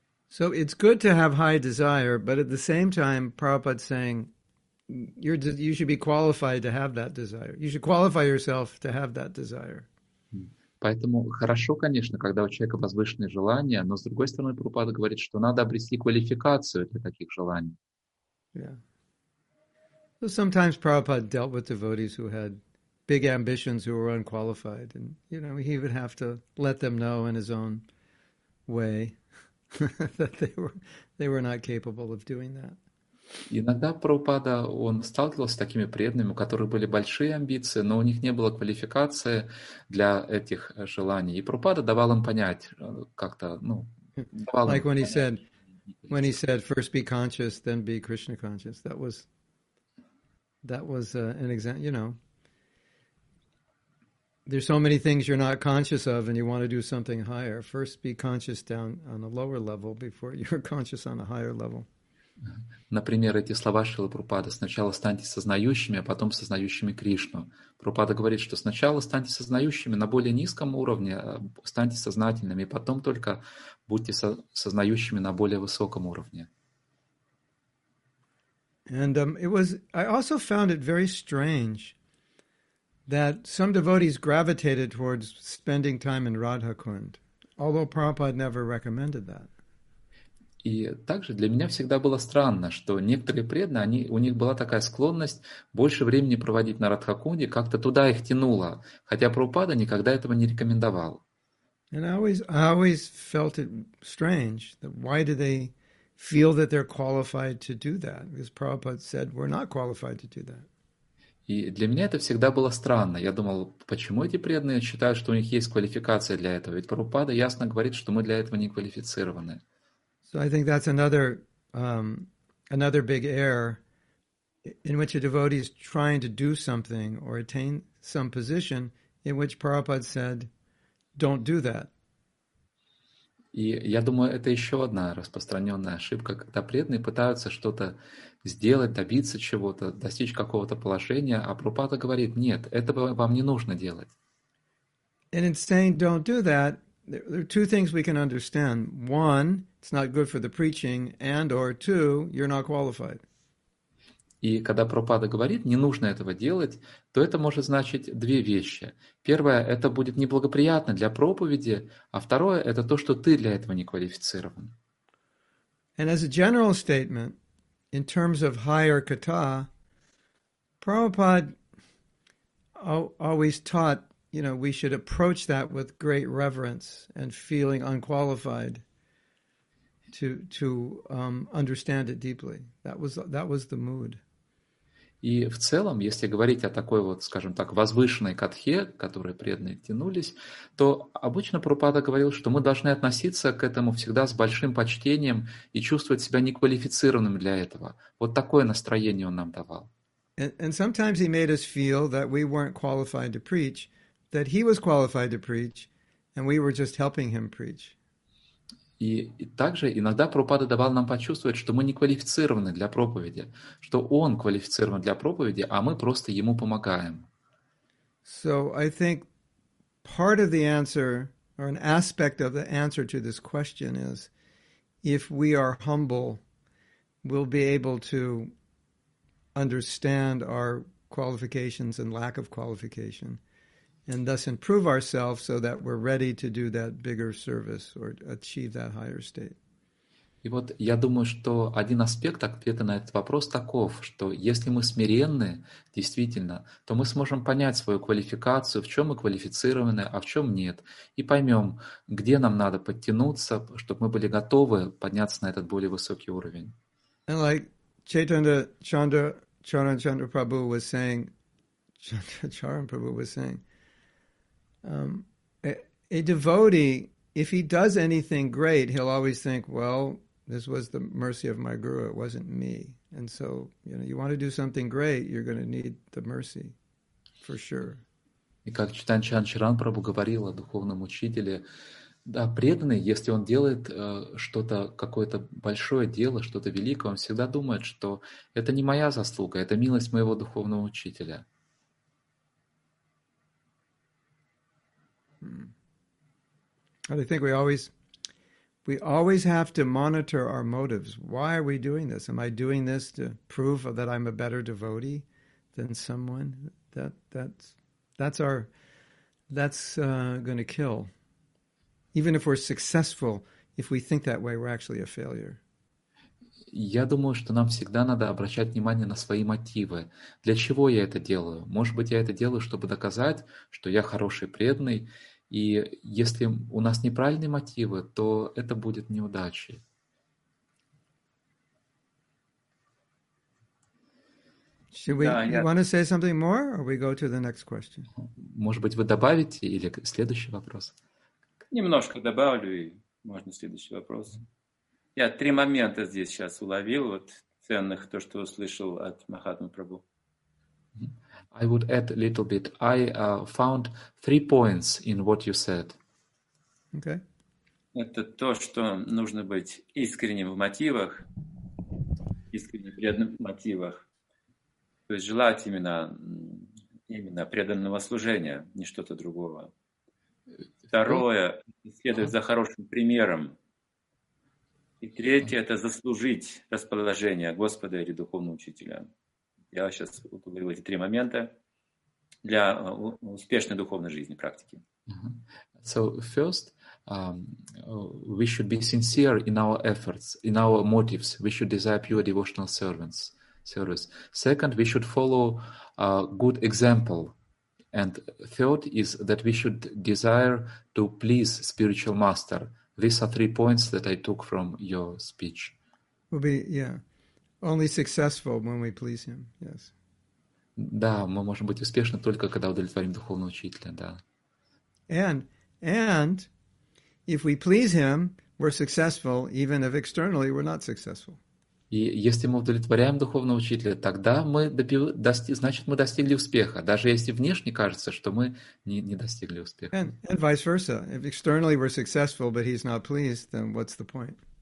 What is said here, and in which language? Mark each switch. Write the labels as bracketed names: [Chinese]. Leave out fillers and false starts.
[English] So it's good to have high desire, but at the same time, Prabhupada's saying, you should be qualified to have that desire. You should qualify yourself to have that desire. [Russian] Поэтому хорошо, конечно, когда у человека возвышенные желания, но с другой стороны, Прабхупада говорит, что надо обрести квалификацию для таких желаний. [English] Yeah. So sometimes Prabhupada dealt with devotees who had big ambitions, who were unqualified, and you know he would have to let them know in his own way. That they were not capable of doing that. [Russian] Иногда Прабхупада, он сталкивался с такими преданными, у которых были большие амбиции, но у них не было квалификации для этих желаний. И Прабхупада давал им понять, как-то, ну, давал like им when понять. [English] He said, when he said, first be conscious, then be Krishna conscious. That was an example. You know, there's so many things you're not conscious of and you want to do something higher. First be conscious down on a lower level before you're conscious on a higher level. [Russian] Например, эти слова Шрилы Прабхупады: сначала станьте сознающими, а потом сознающими Кришну. Прабхупада говорит, что сначала станьте сознающими на более низком уровне, станьте сознательными, и потом только будьте сознающими на более высоком уровне. [English] And I also found it very strange that some devotees gravitated towards spending time in Radhakund, although Prabhupada never recommended that. [Russian] И также для меня всегда было странно, что некоторые преданные, они, у них была такая склонность больше времени проводить на Радхакунде, как-то туда их тянуло, хотя Прабхупада никогда этого не рекомендовал. [English] And I always felt it strange that why do they feel that they're qualified to do that? Because Prabhupada said we're not qualified to do that. [Russian] И для меня это всегда было странно. Я думал, почему эти преданные считают, что у них есть квалификация для этого? Ведь Прабхупада ясно говорит, что мы для этого не квалифицированы. [English] So I think that's another big error in which a devotee is trying to do something or attain some position in which Prabhupada said, don't do that. [Russian] И я думаю, это еще одна распространенная ошибка, когда преданные пытаются что-то сделать, добиться чего-то, достичь какого-то положения, а Прабхупада говорит, нет, этого вам не нужно делать. [English] And in saying don't do that, there are two things we can understand. One, it's not good for the preaching, and or two, you're not qualified. [Russian] И когда Прабхупада говорит, не нужно этого делать, то это может значить две вещи. Первое, это будет неблагоприятно для проповеди, а второе, это то, что ты для этого не квалифицирован. [English] And as a general statement, in terms of higher kata, Prabhupada always taught, you know, we should approach that with great reverence and feeling unqualified. to understand it deeply. That was the mood. [Russian] И в целом, если говорить о такой вот, скажем так, возвышенной катхе, которой преданные тянулись, то обычно Прабхупада говорил, что мы должны относиться к этому всегда с большим почтением и чувствовать себя неквалифицированным для этого. Вот такое настроение он нам давал. [English] And sometimes he made us feel that we weren't qualified to preach, that he was qualified to preach, and we were just helping him preach. [Russian] И также иногда Прабхупада давал нам почувствовать, что мы не квалифицированы для проповеди, что он квалифицирован для проповеди, а мы просто ему помогаем. [English] So I think part of the answer, or an aspect of the answer to this question is, if we are humble, we'll be able to understand our qualifications and lack of qualification. And thus improve ourselves so that we're ready to do that bigger service or achieve that higher state. [Russian] И вот я думаю, что один аспект ответа на этот вопрос таков, что если мы смиренны, действительно, то мы сможем понять свою квалификацию, в чем мы квалифицированы, а в чем нет, и поймем, где нам надо подтянуться, чтобы мы были готовы подняться на этот более высокий уровень. [English] And like Chaitanya Charan Prabhu was saying. A devotee, if he does anything great, he'll always think, well, this was the mercy of my guru, it wasn't me. And so, you know, you want to do something great, you're going to need the mercy, for sure. И как Чайтанья Чаран Чаран Прабху говорил о духовном учителе, да, преданный, если он делает что-то, какое-то большое дело, что-то великое, он всегда думает, что это не моя заслуга, это милость моего духовного учителя. And I think we always have to monitor our motives. Why are we doing this? Am I doing this to prove that I'm a better devotee than someone? That's going to kill. Even if we're successful, if we think that way, we're actually a failure. [Russian] Я думаю, что нам всегда надо обращать внимание на свои мотивы. Для чего я это делаю? Может быть, я это делаю, чтобы доказать, что я хороший преданный. И если у нас неправильные мотивы, то это будет неудачей. [English] Want to say something more, or we go to the next question? [Russian] Может быть, вы добавите или следующий вопрос? Немножко добавлю, и можно следующий вопрос. Я три момента здесь сейчас уловил, вот ценных, то, что услышал от Махатмы Прабху. [English] I would add a little bit. I found three points in what you said. Okay. [Russian] Это то, что нужно быть искренним в мотивах, искренне преданным в мотивах. То есть желать именно преданного служения, не что-то другого. Второе, следовать за хорошим примером. И третье, это заслужить расположение Господа или духовного учителя. Я сейчас говорю эти три момента для успешной духовной жизни, практики. Uh-huh. [English] So first, we should be sincere in our efforts, in our motives. We should desire pure devotional service. Second, we should follow a good example. And third is that we should desire to please spiritual master. These are three points that I took from your speech. Only successful when we please him, yes. [Russian] Да, мы можем быть успешны только когда удовлетворим духовного учителя, да. [English] And if we please him, we're successful, even if externally we're not successful. [Russian] И если мы удовлетворяем духовного учителя, тогда мы достигли успеха, даже если внешне кажется, что мы не достигли успеха. [English] And vice versa. If externally we're successful, but he's not pleased, then what's the point?